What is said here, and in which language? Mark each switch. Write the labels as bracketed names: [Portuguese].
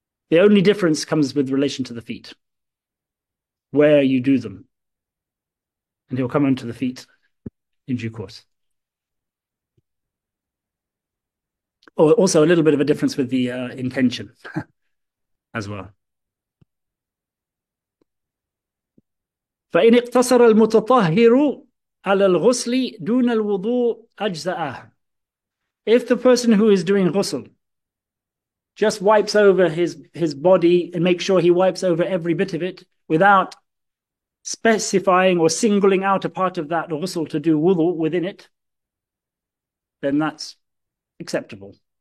[English] The only difference comes with relation to the feet, where you do them. And he'll come onto the feet in due course. Also, a little bit of a difference with the intention as well. [Arabic] فإن اقتصر المتطهر على الغسل دون الوضوء أجزأه. [English] If the person who is doing ghusl just wipes over his body and makes sure he wipes over every bit of it without specifying or singling out a part of that ghusl to do wudu within it, then that's acceptable.